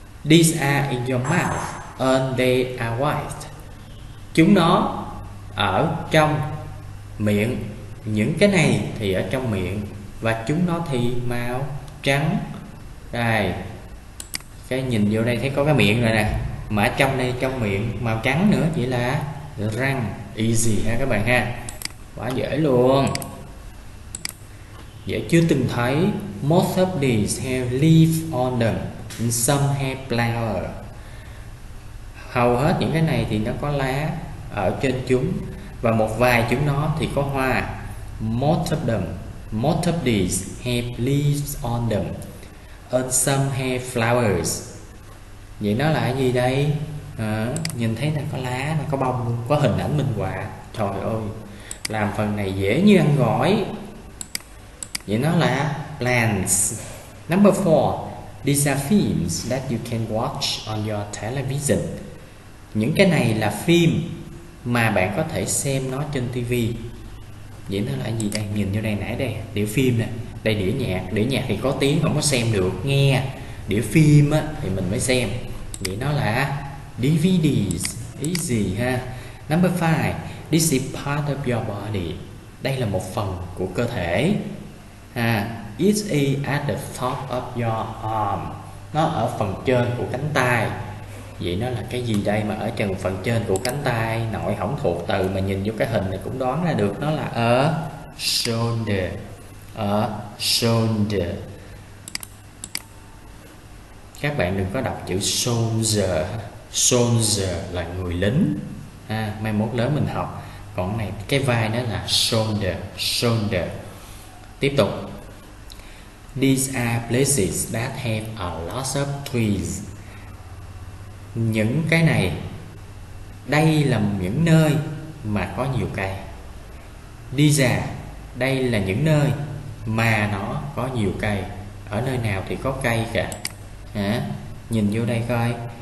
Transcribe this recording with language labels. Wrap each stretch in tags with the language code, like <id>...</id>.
<en>These are in your mouth and they are white.</en> <vi>Chúng nó ở trong miệng. Những cái này thì ở trong miệng. Và chúng nó thì màu trắng. Đây. Cái nhìn vô đây thấy có cái miệng rồi nè. Mà ở trong đây trong miệng màu trắng nữa, chỉ là răng. Easy ha các bạn ha. Quá dễ luôn. Dễ chưa từng thấy.</vi> <en>Most of these have leaves on them and some have flowers.</en> <vi>Hầu hết những cái này thì nó có lá ở trên chúng, và một vài chúng nó thì có hoa.</vi> <en>Most of them, most of these have leaves on them and some have flowers.</en> <vi>Vậy nó là cái gì đây? Nhìn thấy là có lá, là có bông, có hình ảnh minh họa. Trời ơi, làm phần này dễ như ăn gỏi. Vậy nó là plants. Number 4.</vi> <en>These are films that you can watch on your television.</en> <vi>Những cái này là phim mà bạn có thể xem nó trên TV. Vậy nó là cái gì đây? Nhìn vô đây nãy đây, đĩa phim nè. Đây đĩa nhạc. Đĩa nhạc thì có tiếng không có xem được, nghe. Đĩa phim á thì mình mới xem. Vậy nó là DVDs. Easy ha. Number 5.</vi> <en>This is part of your body.</en> <vi>Đây là một phần của cơ thể ha.</vi> <en>It's at the top of your arm.</en> <vi>Nó ở phần trên của cánh tay. Vậy nó là cái gì đây mà ở trần phần trên của cánh tay nội hổng thuộc từ mà nhìn vô cái hình này cũng đoán ra được nó là a shoulder, a shoulder. Các bạn đừng có đọc chữ soldier, soldier là người lính à, mai mốt lớn mình học. Còn này cái vai nó là shoulder, shoulder. Tiếp tục.</vi> <en>These are places that have a lot of trees.</en> <vi>Những cái này, đây là những nơi mà có nhiều cây. These, đây là những nơi mà nó có nhiều cây. Ở nơi nào thì có cây cả. À, nhìn vô đây coi.</vi>